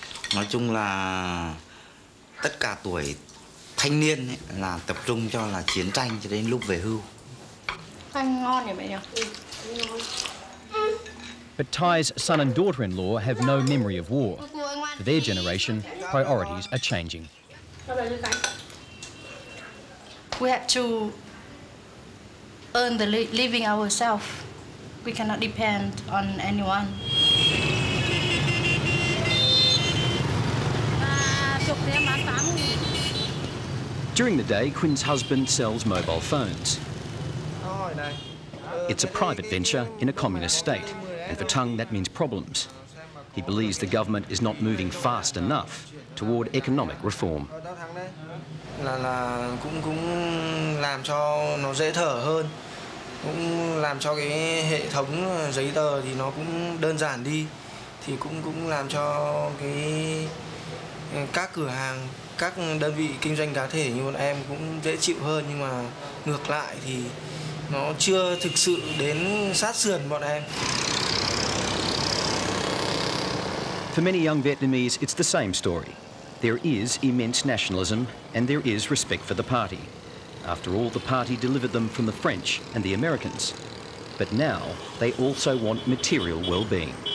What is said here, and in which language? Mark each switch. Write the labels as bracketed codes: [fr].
[vi] Nói chung là tất cả tuổi thanh niên ấy, là tập trung cho là chiến tranh cho đến lúc về hưu. Thanh ngon nhỉ mẹ nhỉ? [en] But Thai's son and daughter-in-law have no memory of war. For their generation, priorities are changing. We have to earn the living ourselves. We cannot depend on anyone. During the day, Quinn's husband sells mobile phones. It's a private venture in a communist state, and for Tung, that means problems. He believes the government is not moving fast enough toward economic reform. [vi] Là cũng cũng làm cho nó dễ thở hơn. cũng làm cho cái hệ thống giấy tờ thì nó cũng đơn giản đi, thì cũng làm cho cái các cửa hàng, các đơn vị kinh doanh cá thể như bọn em cũng dễ chịu hơn, nhưng mà ngược lại thì nó chưa thực sự đến sát sườn bọn em. [en] For many young Vietnamese, it's the same story. There is immense nationalism and there is respect for the party. After all, the party delivered them from the French and the Americans. But now, they also want material well-being.